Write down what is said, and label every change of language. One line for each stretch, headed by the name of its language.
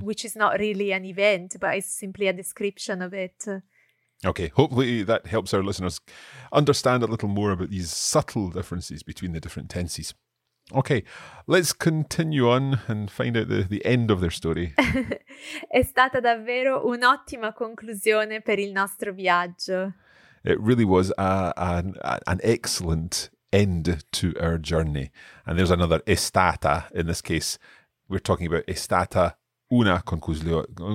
English: which is not really an event, but it's simply a description of it. Okay, hopefully that helps our listeners understand a little more about these subtle differences between the different tenses. Okay, let's continue on and find out the end of their story.
Italian: È stata davvero un'ottima conclusione per il nostro viaggio.
English: It really was an excellent end to our journey. And there's another
Italian: è stata.
English: In this case, we're talking about
Italian: è stata conclusione.